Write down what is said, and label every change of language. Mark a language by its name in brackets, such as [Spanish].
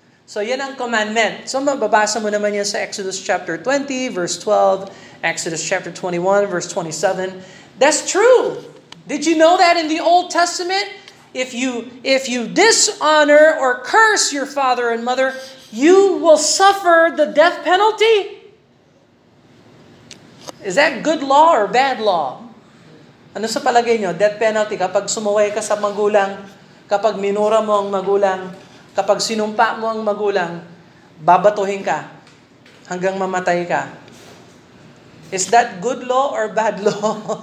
[Filipino] So yan ang commandment. So mababasa mo naman yan sa Exodus chapter 20, verse 12, Exodus chapter 21, verse 27. [English] That's true. Did you know that in the Old Testament? If you dishonor or curse your father and mother, you will suffer the death penalty. Is that good law or bad law? [Filipino] Ano sa palagay nyo? Death penalty. Kapag sumuway ka sa magulang, kapag minura mo ang magulang, kapag sinumpa mo ang magulang, babatuhin ka hanggang mamatay ka. [English] Is that good law or bad law?